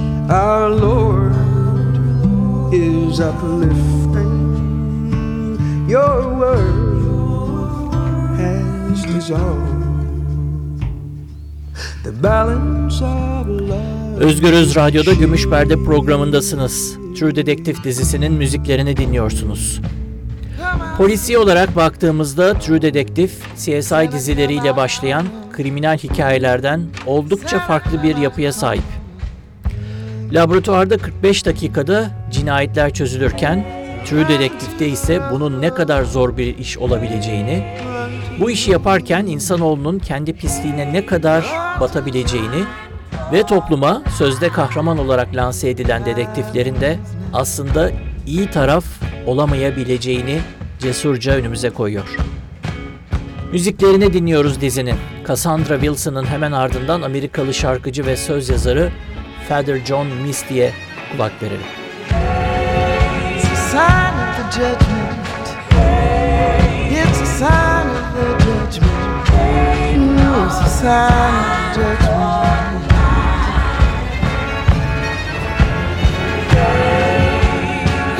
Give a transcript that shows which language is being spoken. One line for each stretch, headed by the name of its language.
English: Our Lord is uplifting. Your word has dissolved. The balance of love.
Turkish: Özgürüz Radyo'da Gümüş Perde programındasınız. True Detective dizisinin müziklerini dinliyorsunuz. Polisiye olarak baktığımızda True Detective, CSI dizileriyle başlayan kriminal hikayelerden oldukça farklı bir yapıya sahip. Laboratuvarda 45 dakikada cinayetler çözülürken, True Detective'de ise bunun ne kadar zor bir iş olabileceğini, bu işi yaparken insanoğlunun kendi pisliğine ne kadar batabileceğini ve topluma sözde kahraman olarak lanse edilen dedektiflerin de aslında iyi taraf olamayabileceğini cesurca önümüze koyuyor. Müziklerini dinliyoruz dizinin. Cassandra Wilson'ın hemen ardından Amerikalı şarkıcı ve söz yazarı Father John Misty'ye kulak verelim.
English: It's a sign of the judgment. It's a sign of the judgment. It's a sign of the judgment.